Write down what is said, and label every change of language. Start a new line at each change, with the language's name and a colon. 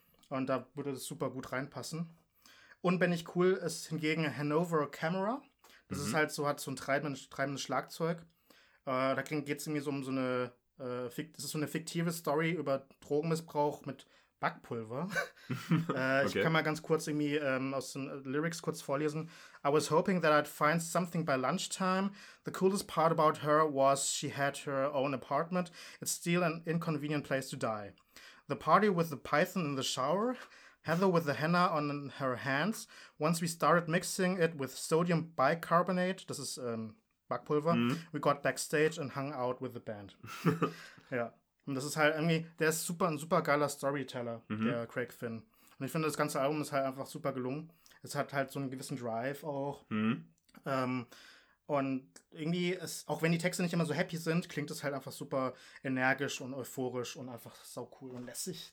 German: Und da würde das super gut reinpassen. Unbändig cool ist hingegen Hanover Camera. Das ist halt so, hat so ein treibendes Schlagzeug. Da geht es irgendwie so um so eine das ist so eine fiktive Story über Drogenmissbrauch mit Backpulver. okay. Ich kann mal ganz kurz irgendwie aus den Lyrics kurz vorlesen.
English: I was hoping that I'd find something by lunchtime. The coolest part about her was she had her own apartment. It's still an inconvenient place to die. The party with the python in the shower. Heather with the henna on her hands. Once we started mixing it with sodium bicarbonate,
German: das ist Backpulver,
English: we got backstage and hung out with the band.
German: Ja, und das ist halt irgendwie, der ist super, ein super geiler Storyteller, der Craig Finn. Und ich finde, das ganze Album ist halt einfach super gelungen. Es hat halt so einen gewissen Drive auch. Und irgendwie, auch wenn die Texte nicht immer so happy sind, klingt es halt einfach super energisch und euphorisch und einfach sau cool und lässig.